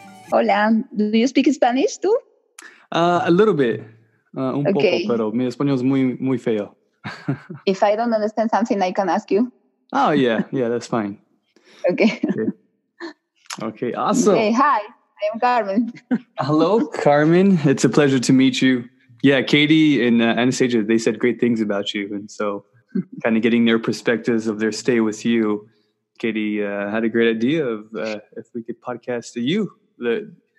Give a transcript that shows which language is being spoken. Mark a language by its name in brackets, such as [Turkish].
[English] Hola, do you speak Spanish too? A little bit, [Spanish] un poco, pero mi español es muy, muy feo. [English] If I don't understand something, I can ask you. Oh, yeah, yeah, that's fine. Okay. Okay, awesome. Hey, hi, I'm Carmen. Hello, Carmen. It's a pleasure to meet you. Yeah, Katie and Anastasia, they said great things about you. And so kind of getting their perspectives of their stay with you, Katie had a great idea of if we could podcast to you. The